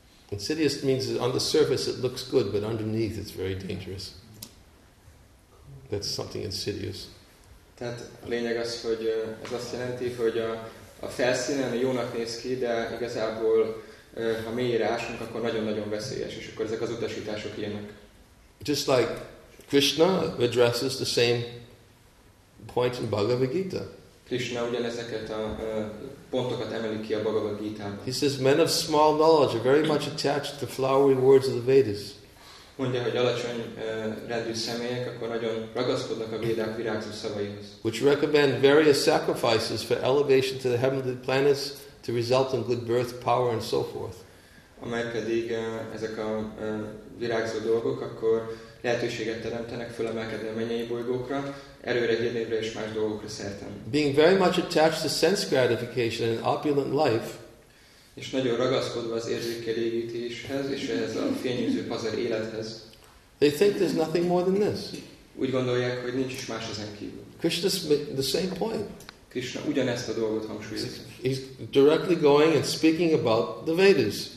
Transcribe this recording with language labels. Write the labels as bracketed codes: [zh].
[en] Insidious means that on the surface it looks good, but underneath it's very dangerous. That's something insidious. [hu] Tehát a lényeg az, hogy ez azt jelenti, hogy a felszínen jónak néz ki, de igazából ha mélyre ásunk, akkor nagyon-nagyon veszélyes, és akkor ezek az utasítások ilyenek. [en] Just like Krishna addresses the same points in Bhagavad Gita. [hu] Krishna ugyanezeket a pontokat emeli ki a Bhagavad Gita-ban. [en] He says, men of small knowledge are very much attached to the flowery words of the Vedas. [hu] Mondja, hogy alacsony rendű személyek, akkor nagyon ragaszkodnak a Védák virágzó szavaihoz. [en] Which recommend various sacrifices for elevation to the heavenly planets to result in good birth, power and so forth. [hu] Amely pedig ezek a virágzó dolgok, akkor lehetőséget teremtenek fölemelkedni a mennyei bolygókra, erőre, hírnévre és más dolgokra szerten. [en] Being very much attached to sense gratification and opulent life, [hu] és nagyon ragaszkodva az érzékelégítéshez és ehhez a fényűző pazar élethez, [en] they think there's nothing more than this. [hu] Úgy gondolják, hogy nincs is más ezen kívül. [en] Krishna's the same point. [hu] Krishna ugyanezt a dolgot hangsúlyozza. [en] He's directly going and speaking about the Vedas.